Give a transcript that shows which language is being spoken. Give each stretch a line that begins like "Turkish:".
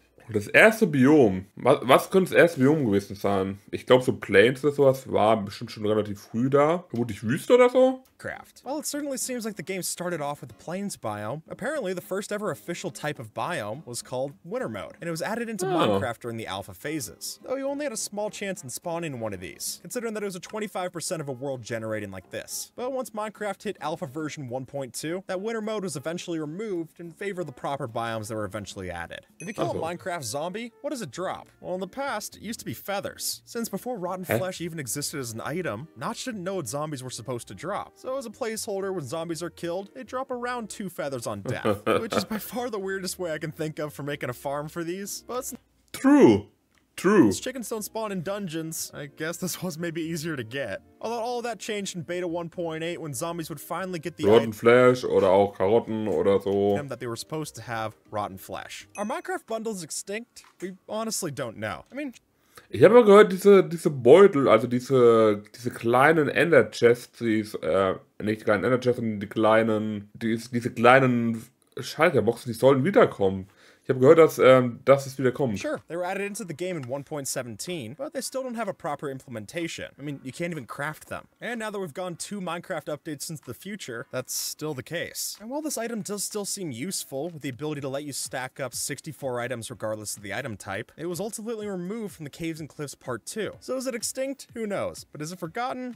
German: Das erste Biom. Was könnte das erste Biom gewesen sein? Ich glaube, so Plains oder sowas war bestimmt schon relativ früh da. Vermutlich Wüste oder so?
English: Craft. Well, it certainly seems like the game started off with the Plains biome. Apparently, the first ever official type of biome was called Winter Mode, and it was added into Minecraft during the alpha phases. Though you only had a small chance in spawning one of these, considering that it was a 25% of a world generating like this. But once Minecraft hit alpha version 1.2, that Winter Mode was eventually removed in favor of the proper biomes that were eventually added. If you kill a Minecraft zombie, what does it drop? Well, in the past, it used to be feathers. Since before rotten flesh even existed as an item, Notch didn't know what zombies were supposed to drop. So as a placeholder, when zombies are killed, they drop around 2 feathers on death, which is by far the weirdest way I can think of for making a farm for these. But true. Since chickens don't spawn in dungeons, I guess this was maybe easier to get. Although all of that changed in beta 1.8 when zombies would finally get the rotten flesh
German: oder auch Karotten oder so.
English: That they were supposed to have rotten flesh. Are Minecraft bundles extinct? We honestly don't know. I mean.
German: Ich habe mal gehört, diese Beutel, also diese kleinen Ender-Chests, diese kleinen Schalterboxen, die sollen wiederkommen. Ich habe gehört, dass das ist wieder kommt.
English: Sure, they were added into the game in 1.17, but they still don't have a proper implementation. I mean, you can't even craft them. And now that we've gone 2 Minecraft updates into the future, that's still the case. And while this item does still seem useful, with the ability to let you stack up 64 items regardless of the item type, it was ultimately removed from the Caves and Cliffs Part 2. So is it extinct? Who knows? But is it forgotten?